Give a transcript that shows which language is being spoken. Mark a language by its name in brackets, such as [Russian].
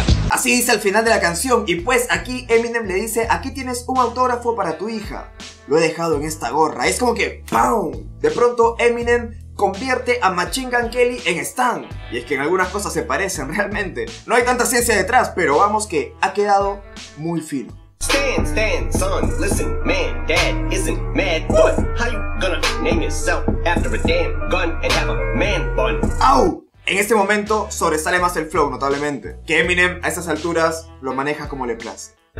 [Spanish] Así dice al final de la canción, y pues aquí Eminem le dice: aquí tienes un autógrafo para tu hija, lo he dejado en esta gorra. Es como que ¡pum! De pronto Eminem convierte a Machine Gun Kelly en Stan. Y es que en algunas cosas se parecen realmente. No hay tanta ciencia detrás, pero vamos que ha quedado muy fino. [English] Stan, Stan, son, listen, man, dad isn't mad, but how you gonna name yourself after a damn gun and have a man bun? ¡Au! [Spanish] En este momento sobresale más el flow, notablemente. Que Eminem a esas alturas lo maneja como le place.